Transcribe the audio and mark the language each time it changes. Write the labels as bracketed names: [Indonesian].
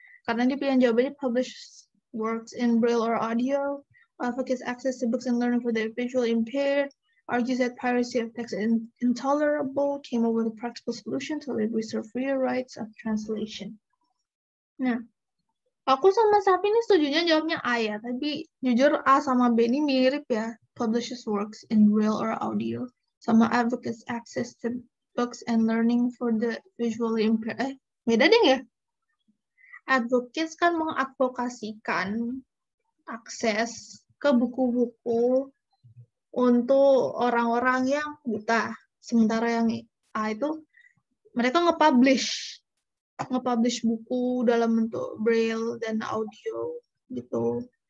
[Indonesian] Karena dia pilihan jawabannya [English] publish works in Braille or audio, advocates access to books and learning for the visually impaired, argues that piracy of text is intolerable, came up with a practical solution to reserve free rights of translation. [Indonesian] Nah, aku sama Safi ini setujunya jawabnya A ya, tapi jujur A sama B ini mirip ya. [English] Publishes works in Braille or audio, [Indonesian] sama [English] advocates access to books and learning for the visually impaired. [Indonesian] Eh, beda deh ya? Advocates kan mengadvokasikan akses ke buku-buku untuk orang-orang yang buta. Sementara yang A itu, mereka nge-publish buku dalam bentuk Braille dan audio gitu.